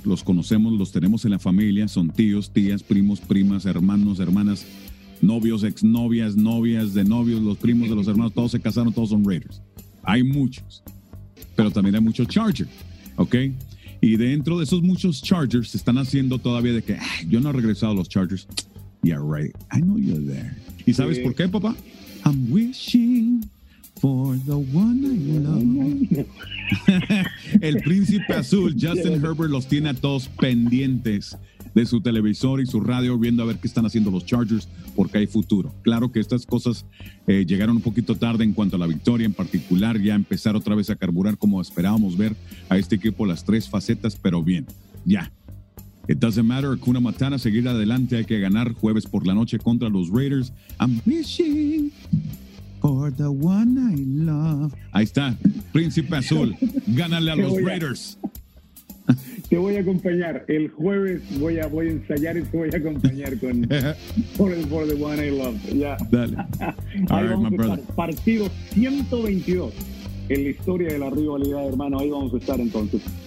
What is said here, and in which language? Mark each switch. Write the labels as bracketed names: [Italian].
[Spanish] Los conocemos, los tenemos en la familia. Son tíos, tías, primos, primas, hermanos, hermanas, novios, exnovias, novias de novios, los primos de los hermanos, todos se casaron, todos son Raiders. Hay muchos, pero también hay muchos Chargers, ¿ok? Y dentro de esos muchos Chargers se están haciendo todavía de que yo no he regresado a los Chargers. [English] Yeah, right. I know you're there. [Spanish] ¿Y sabes por qué, papá? [English] I'm wishing for the one I love. [Spanish] El Príncipe Azul, Justin Herbert, los tiene a todos pendientes de su televisor y su radio viendo a ver qué están haciendo los Chargers, porque hay futuro. Claro que estas cosas llegaron un poquito tarde en cuanto a la victoria en particular, ya empezar otra vez a carburar como esperábamos ver a este equipo las tres facetas, pero bien, ya. [English] It doesn't matter, [Spanish] Hakuna Matata, seguir adelante, hay que ganar jueves por la noche contra los Raiders. [English] I'm wishing for the one I love. [Spanish] Ahí está, Príncipe Azul, gánale a los Raiders. Te voy a acompañar, el jueves voy a ensayar y te voy a acompañar con [English] for the one I love. Yeah. [Spanish] Dale. [English] All right, my brother. [Spanish] Partido 122 en la historia de la rivalidad, hermano, ahí vamos a estar entonces.